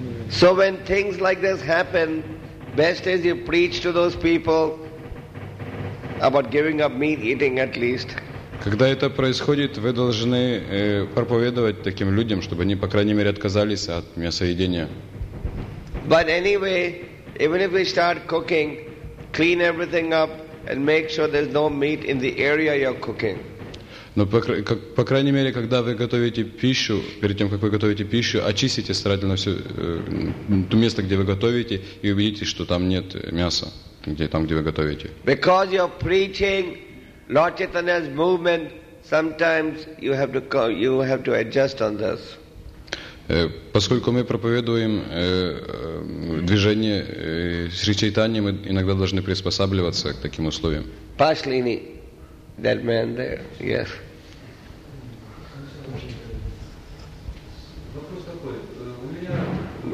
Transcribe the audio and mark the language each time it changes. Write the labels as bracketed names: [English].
[English] So when things like this happen, best is you preach to those people about giving up meat eating at least. [Russian] Когда это происходит, вы должны проповедовать таким людям, чтобы они по крайней мере отказались от мясоедения. [English] But anyway, even if we start cooking, clean everything up and make sure there's no meat in the area you're cooking. [Russian] Но по крайней мере, когда вы готовите пищу, перед тем как вы готовите пищу, очистите старательно все то место, где вы готовите, и убедитесь, что там нет мяса, где там, где вы готовите. [English] Because you're preaching Lord Chaitanya's movement, sometimes you have to adjust on this. [Russian] Поскольку мы проповедуем движение Шри Чайтаньи, мы иногда должны приспосабливаться к таким условиям. [English] Пашлини, that man there, yes. [Russian] Вопрос такой. У меня...